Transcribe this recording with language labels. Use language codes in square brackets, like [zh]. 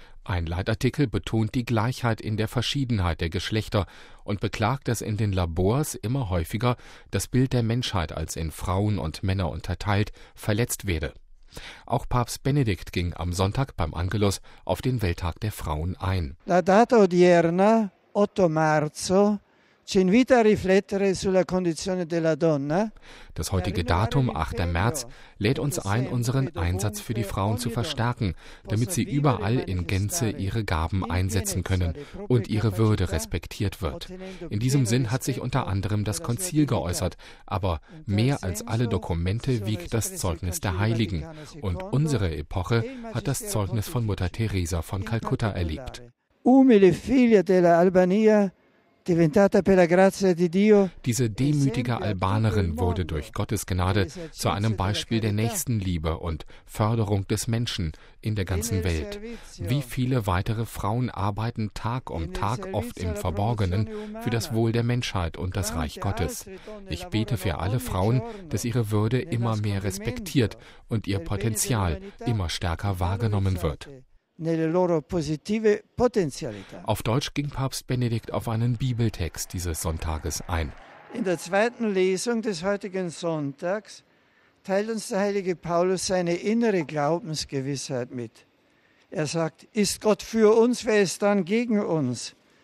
[de] Ein Leitartikel betont die Gleichheit in der Verschiedenheit der Geschlechter und beklagt, dass in den Labors immer häufiger das Bild der Menschheit als in Frauen und Männer unterteilt verletzt werde. Auch Papst Benedikt ging am Sonntag beim Angelus auf den Welttag der Frauen ein. [it] La data odierna, 8 marzo, ci invita a riflettere sulla condizione della donna. [de] Das heutige Datum, 8. März, lädt uns ein, unseren Einsatz für die Frauen zu verstärken, damit sie überall in Gänze ihre Gaben einsetzen können und ihre Würde respektiert wird. In diesem Sinn hat sich unter anderem das Konzil geäußert, aber mehr als alle Dokumente wiegt das Zeugnis der Heiligen. Und unsere Epoche hat das Zeugnis von Mutter Teresa von Kalkutta erlebt. [it] Umile figlia della Albania, [de] diese demütige Albanerin wurde durch Gottes Gnade zu einem Beispiel der Nächstenliebe und Förderung des Menschen in der ganzen Welt. Wie viele weitere Frauen arbeiten Tag um Tag, oft im Verborgenen, für das Wohl der Menschheit und das Reich Gottes. Ich bete für alle Frauen, dass ihre Würde immer mehr respektiert und ihr Potenzial immer stärker wahrgenommen wird. [it] Nelle loro positive potenzialità. [de] Auf Deutsch ging Papst Benedikt auf einen Bibeltext dieses Sonntages ein. In der zweiten Lesung des heutigen Sonntags teilt uns der heilige Paulus seine innere Glaubensgewissheit mit. Er sagt, ist Gott für uns, wer ist dann gegen uns?